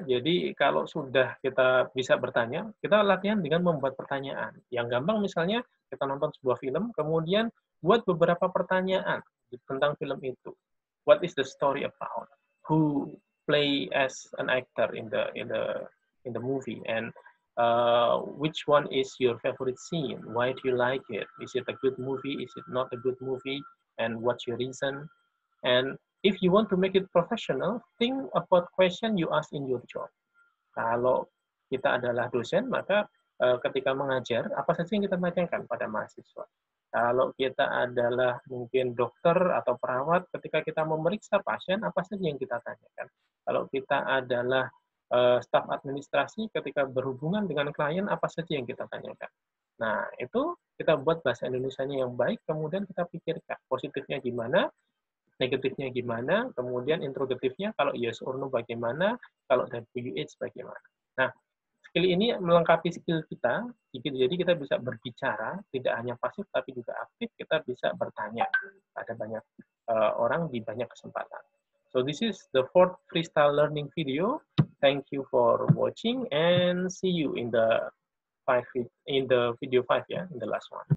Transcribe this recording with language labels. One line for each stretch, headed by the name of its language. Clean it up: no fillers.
Indonesian: Jadi kalau sudah kita bisa bertanya, kita latihan dengan membuat pertanyaan. Yang gampang misalnya kita nonton sebuah film, kemudian buat beberapa pertanyaan tentang film itu.
English: What is the story about? Who play as an actor in the movie? And which one is your favorite scene? Why do you like it? Is it a good movie? Is it not a good movie? And what's your reason? And if you want to make it professional, think about question you ask in your job.
Indonesian: Kalau kita adalah dosen, maka ketika mengajar, apa saja yang kita tanyakan pada mahasiswa? Kalau kita adalah mungkin dokter atau perawat, ketika kita memeriksa pasien, apa saja yang kita tanyakan? Kalau kita adalah staf administrasi, ketika berhubungan dengan klien, apa saja yang kita tanyakan? Nah, itu kita buat bahasa Indonesianya yang baik, kemudian kita pikirkan positifnya gimana, negatifnya gimana, kemudian interrogatifnya kalau yes or no bagaimana, kalau WH bagaimana. Nah, skill ini melengkapi skill kita, jadi kita bisa berbicara, tidak hanya pasif tapi juga aktif, kita bisa bertanya pada banyak orang di banyak kesempatan.
English: So this is the 4th freestyle learning video. Thank you for watching and see you in the video 5, yeah, in the last one.